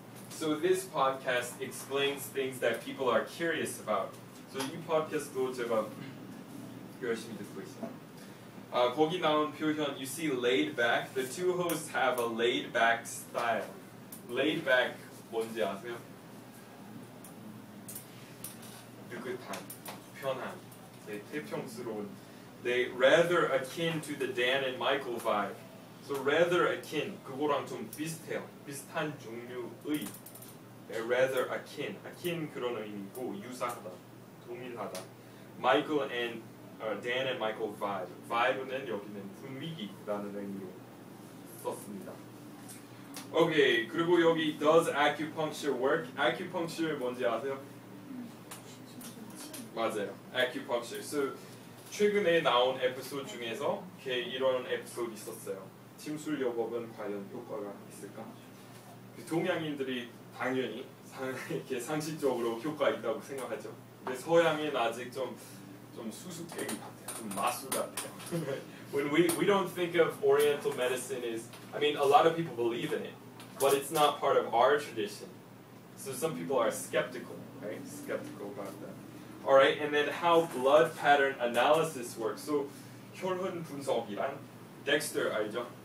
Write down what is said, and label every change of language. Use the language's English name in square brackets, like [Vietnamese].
[English] So this podcast explains things that people are curious about. [Korean] So 이 팟캐스트도 제가 열심히 듣고 있어요. 거기 나온 표현, [English] you see laid back. The two hosts have a laid back style. [Korean] Laid back 뭔지 아세요? 느긋한, 편한, 네, 태평스러운. [English] They rather akin to the Dan and Michael vibe. So rather akin, [Korean] 그거랑 좀 비슷해요. 비슷한 종류의. [English] They're rather akin. [Korean] Akin 그런 의미고, 유사하다, 동일하다. [English] Michael and, Dan and Michael vibe. [Korean] Vibe는 여기는 분위기라는 의미로 썼습니다. [English] Okay, [Korean] 그리고 여기 [English] does acupuncture work? Acupuncture [Korean] 뭔지 아세요? 맞아요. Acupuncture. So, 최근에 나온 에피소드 중에서 이런 에피소드 있었어요. 침술 요법은 과연 효과가 있을까? 동양인들이 당연히 이렇게 상식적으로 효과 있다고 생각하죠. 근데 서양인 아직 좀 수수께끼 같아요. 좀 마술 같아요. [English] When we don't think of Oriental medicine is, I mean, a lot of people believe in it, but it's not part of our tradition. So some people are skeptical, right? Skeptical about that. All right, and then how blood pattern analysis works. [Korean] So, 혈흔 분석이랑 Dexter 알죠?